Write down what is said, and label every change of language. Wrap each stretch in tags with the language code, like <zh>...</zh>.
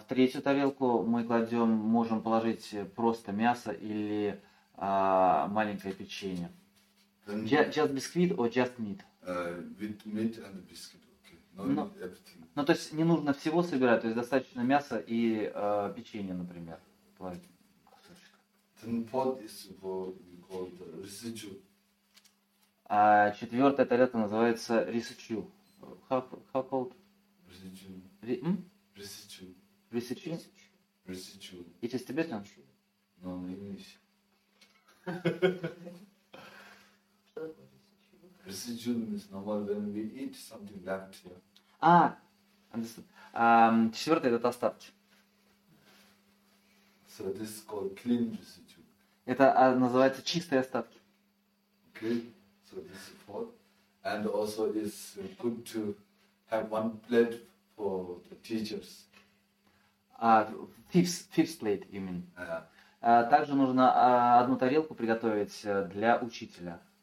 <ru>В третью тарелку мы кладем, можем положить просто мясо или маленькое печенье.</ru> <en>Just biscuit or just meat? With meat and biscuit. Not everything.</en> <ru>То есть не нужно всего собирать, то есть достаточно мяса и печенья, например.</ru> <en>Then pot is what we call the risuchu.</en> <ru>А четвертая тарелка называется risuchu.</ru> <en>How called? Risuchu. Risuchu. Risuchu? Risuchu. It is Tibetan? No, English. Risuchu means normal when we eat something left here.</en> <ru>Четвертый это остатки.</ru> <en>So this is called clean residue.</en> <ru>Это называется чистые остатки.</ru> <en>Okay, so this is fourth. And also it's good to have one plate for the teachers. Fifth plate, you mean.</en> <ru>Также нужно одну тарелку приготовить для учителя.</ru>